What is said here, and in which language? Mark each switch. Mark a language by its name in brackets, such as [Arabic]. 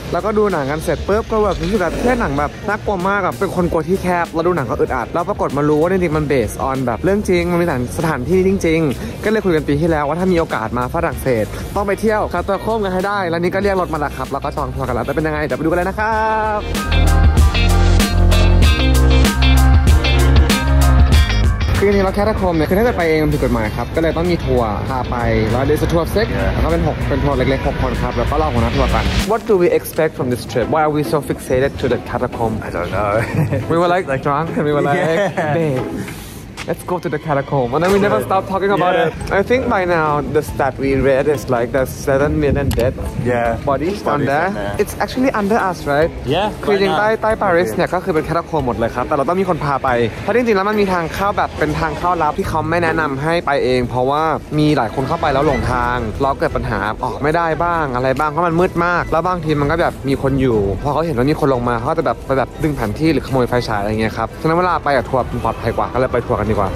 [Thai] แล้วก็ดูหนังกันเสร็จปุ๊บก็แบบรู้สึกแบบแค่หนังแบบน่ากลัวมากอ่ะเป็นคนกลัวที่แคบแล้วดูหนังก็อึดอัดแล้วปรากฏมารู้ว่าจริงๆมันเบสออนแบบเรื่องจริงมันมีสถานที่จริงๆก็เลยคุยกันปีที่แล้วว่าถ้ามีโอกาสมาฝรั่งเศสต้องไปเที่ยวคาตาคอมบ์กันให้ได้แล้วนี่ก็เรียกรถมาละครับแล้วก็ชองทัวร์กันแล้วจะเป็นยังไงเดี๋ยวไปดูกันเลยนะครับ คือจริงๆแล้วแคทาคอมบ์เนี่ยคือถ้าเกิดไปเองมันผิดกฎหมายครับก็เลยต้องมีทัวร์พาไปแล้วเดี๋ยวจะทัวร์เซ็กแล้วก็เป็นทัวร์เล็กๆ6คนครับแล้วก็เล่าของนักทัวร์กัน [English] What do we expect from this trip? Why are we so fixated to the catacomb? I don't know. We were like drunk and we were like, babe, let's go to the catacomb. And then we never stopped talking about it. I think by now the stat we read is like there's 7 million dead bodies down there. It's actually under us, right? Yeah. [Thai] คือจริงใต้ปารีสเนี่ยก็คือเป็นแคทาคอมบ์หมดเลยครับแต่เราต้องมีคนพาไปเพราะจริงๆแล้วมันมีทางเข้าแบบเป็นทางเข้าลับที่เขาไม่แนะนำให้ไปเองเพราะว่ามีหลายคนเข้าไปแล้วหลงทางแล้วเกิดปัญหาออกไม่ได้บ้างอะไรบ้างเพราะมันมืดมากแล้วบางทีมันก็แบบมีคนอยู่พอเขาเห็นว่ามีคนลงมาเขาจะแบบดึงแผนที่หรือขโมยไฟฉายอะไรเงี้ยครับฉะนั้นเวลาไปกับทัวร์มันปลอดภัยกว่าก็เลยไปทัวร์กัน